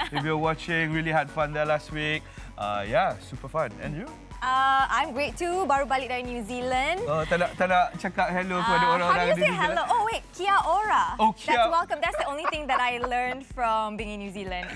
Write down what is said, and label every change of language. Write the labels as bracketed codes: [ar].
[en] If you're watching, really had fun there last week. Super fun. And you? I'm great too. [ms] Baru balik dari New Zealand. Tak nak cakap hello kepada orang-orang di New Zealand. [en] How do you say hello? Oh wait, [mi] kia ora. Oh, kia. [en] That's welcome. That's the only thing that I learned from being in New Zealand.